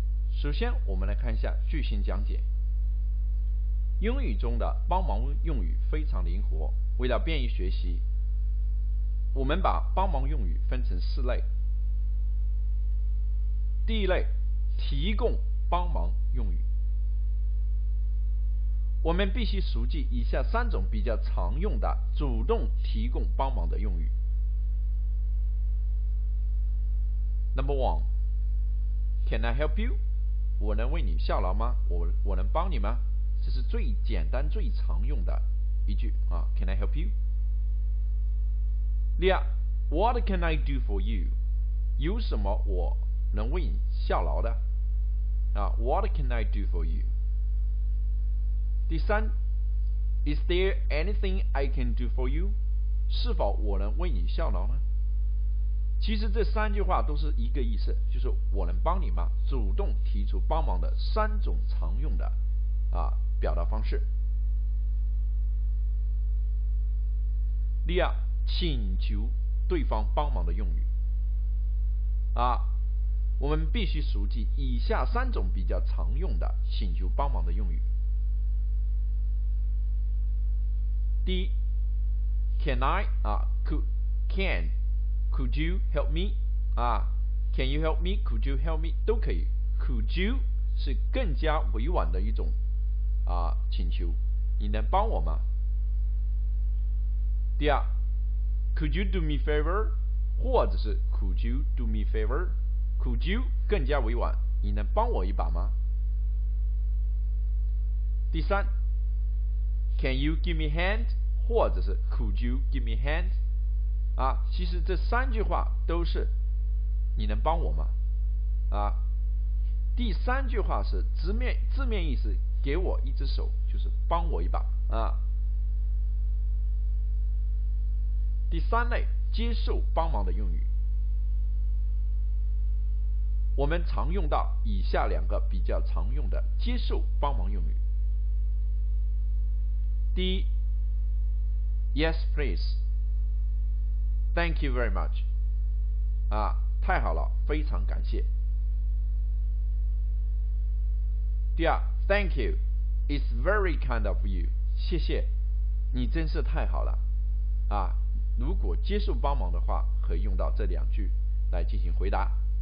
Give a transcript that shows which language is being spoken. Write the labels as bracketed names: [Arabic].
[Chinese] 首先我们来看一下句型讲解。英语中的帮忙用语非常灵活，为了便于学习，我们把帮忙用语分成四类。第一类，提供帮忙用语。我们必须熟记以下三种比较常用的主动提供帮忙的用语。 [English] Number one, Can I help you? [Chinese] 我能为你效劳吗？我能帮你吗？这是最简单最常用的一句啊。 [English] Can I help you? [Chinese] 第二， [English] What can I do for you? [Chinese] 有什么我能为你效劳的啊。 [English] What can I do for you? [Chinese] 第三， [English] Is there anything I can do for you? [Chinese] 是否我能为你效劳呢？其实这三句话都是一个意思，就是我能帮你吗，主动提出帮忙的三种常用的啊表达方式。第二，请求对方帮忙的用语啊，我们必须熟记以下三种比较常用的请求帮忙的用语。第一， [English] Can I, could you help me? Can you help me? Could you help me? [Chinese] 都可以。 Could you 是更加委婉的一种请求，你能帮我吗？第二， [English] Could you do me favor? [Chinese] 或者是 [English] Could you do me favor? [Chinese] Could you 更加委婉，你能帮我一把吗？第三， [English] Can you give me a hand? [Chinese] 或者是 [English] Could you give me a hand? [Chinese] 其实这三句话都是你能帮我吗第三句话是字面意思，给我一只手，就是帮我一把第三类，接受帮忙的用语。我们常用到以下两个比较常用的接受帮忙用语。 [English] 第一， Yes please, Thank you very much, [Chinese] 太好了，非常感谢。第二， [English] Thank you, It's very kind of you, [Chinese] 谢谢，你真是太好了如果接受帮忙的话，可以用到这两句来进行回答。